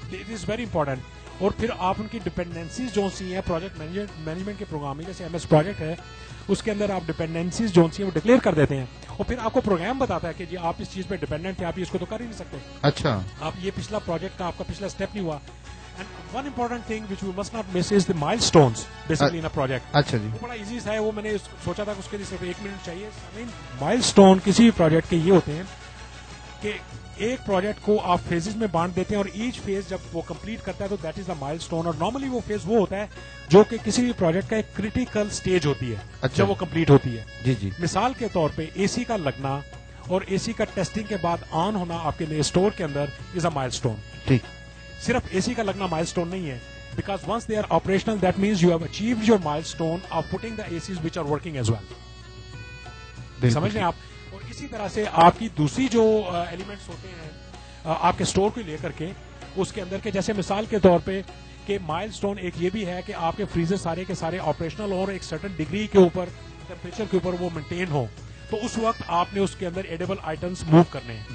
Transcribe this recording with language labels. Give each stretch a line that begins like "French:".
English: It is very important.
Urdu: اور پھر آپ ان کی ڈیپینڈنسیز جو سی ہیں پروجیکٹ مینجمنٹ کے پروگرام میں, جیسے ایم ایس پروجیکٹ ہے اس کے اندر آپ ڈیپینڈنسیز جو سی ہیں وہ ڈکلیئر کر دیتے ہیں, اور پھر آپ کو پروگرام بتاتا ہے کہ جی آپ اس چیز پہ ڈیپینڈنٹ ہیں, آپ اس کو تو کر ہی نہیں سکتے. اچھا, آپ یہ پچھلا پروجیکٹ کا آپ کا پچھلا اسٹیپ نہیں ہوا.
English: And one important thing which we must not miss is the milestones basically in a project.
Urdu: اچھا جی, وہ بڑا ایزی تھا, وہ میں نے سوچا تھا کہ اس کے لیے صرف ایک منٹ چاہیے. مائل اسٹون کسی بھی پروجیکٹ کے یہ ہوتے ہیں کہ ایک پروجیکٹ کو آپ فیزز میں بانٹ دیتے ہیں, اور ایچ فیز جب وہ کمپلیٹ کرتا ہے تو
English: That is the milestone.
Urdu: اور نارملی وہ فیز وہ ہوتا ہے جو کہ کسی بھی پروجیکٹ کا ایک کریٹیکل سٹیج ہوتی ہے. اچھا, جب وہ کمپلیٹ ہوتی ہے. جی جی, مثال کے طور پہ اے سی کا لگنا اور اے سی کا ٹیسٹنگ کے بعد آن ہونا آپ کے نئے اسٹور کے اندر
English: Is a milestone.
Urdu: ٹھیک, صرف اے سی کا لگنا مائل اسٹون نہیں ہے,
English: because once they are operational that means you have achieve your milestone of putting the A Cs which are working as well,
Urdu: سمجھ لیں آپ. اور اسی طرح سے آپ کی دوسری جو ایلیمنٹس ہوتے ہیں آپ کے اسٹور کو لے کر کے اس کے اندر کے, جیسے مثال کے طور پہ کہ مائل اسٹون ایک یہ بھی ہے کہ آپ کے فریزر سارے کے سارے آپریشنل اور ایک سرٹن ڈگری کے اوپر ٹیمپریچر کے اوپر وہ مینٹین ہو, تو اس وقت آپ نے اس کے اندر ایڈیبل آئٹمس موو کرنے ہیں.